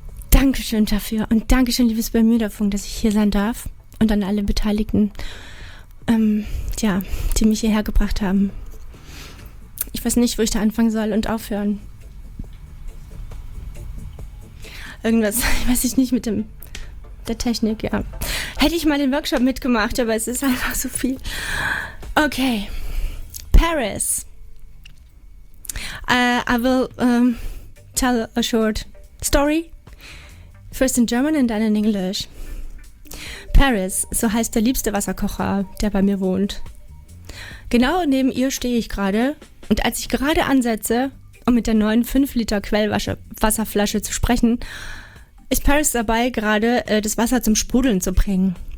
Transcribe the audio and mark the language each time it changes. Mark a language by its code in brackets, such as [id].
[de] Dankeschön dafür und Dankeschön, liebes Bermudafunk, dass ich hier sein darf und an alle Beteiligten, die mich hierher gebracht haben. Ich weiß nicht, wo ich da anfangen soll und aufhören. Irgendwas, weiß ich nicht, mit dem der Technik, ja. Hätte ich mal den Workshop mitgemacht, aber es ist einfach so viel. Okay. Paris. [en] I will tell a short story. First in German and then in English. [de] Paris, so heißt der liebste Wasserkocher, der bei mir wohnt. Genau neben ihr stehe ich gerade und als ich gerade ansetze, um mit der neuen 5 Liter Quellwasserflasche zu sprechen, ist Paris dabei, gerade das Wasser zum Sprudeln zu bringen.